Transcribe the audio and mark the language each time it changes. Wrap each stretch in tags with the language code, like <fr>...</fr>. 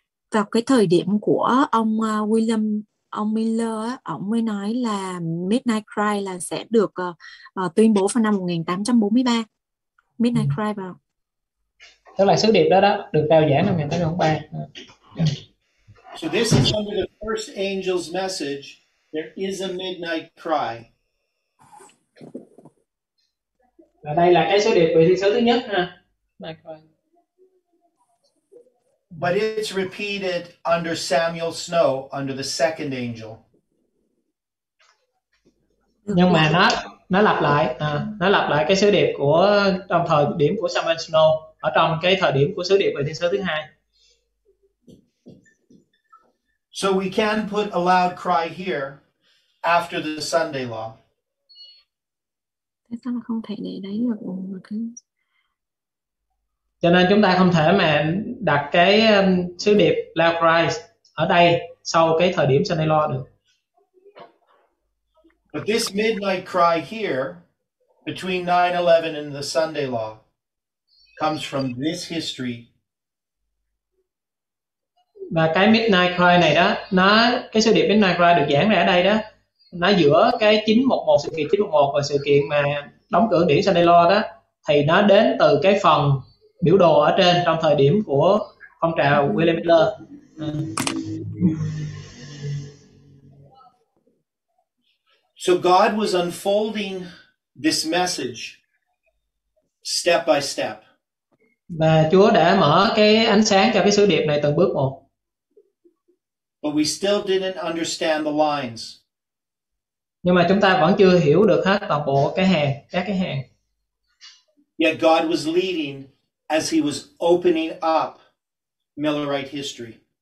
<vi>Vào cái thời điểm của ông William, ông Miller, ông mới nói là midnight cry là sẽ được tuyên bố vào năm 1843.</vi> <en>Midnight cry vào.</en> <vi>Tức là sứ điệp đó được trao giảng năm 1843.</vi> <en>So this is under the first angel's message. There is a midnight cry.</en> <vi>Và đây là cái sứ điệp về thiên sứ thứ nhất ha.</vi> <en>Midnight cry. But it's repeated under Samuel Snow, under the second angel.</en> <vi>Nhưng mà nó lặp lại, nó lặp lại cái sứ điệp của trong thời điểm của Samuel Snow. Ở trong cái thời điểm của sứ điệp về thiên sứ thứ hai.</vi> <en>So we can put a loud cry here after the Sunday law.</en> <vi>Thế sao không thể để đấy được mà cứ. Cho nên chúng ta không thể mà đặt cái sứ điệp loud cry ở đây sau cái thời điểm Sunday law được.</vi> <en>But this midnight cry here between 9/11 and the Sunday law comes from this history.</en> <vi>Và cái midnight cry này đó, nó cái sự điệp midnight cry được giảng ra ở đây đó, nó giữa cái 911 sự kiện 911 và sự kiện mà đóng cửa điểm Sunday law đó, thì nó đến từ cái phần biểu đồ ở trên trong thời điểm của phong trào William Miller.</vi> <en>So God was unfolding this message step by step.</en> <vi>Và Chúa đã mở cái ánh sáng cho cái sứ điệp này từng bước một.</vi> <en>But we still didn't understand the lines.</en> <vi>Nhưng mà chúng ta vẫn chưa hiểu được hết toàn bộ cái hàng, các cái hàng.</vi> <en>Yet God was leading as he was opening up Millerite history.</en>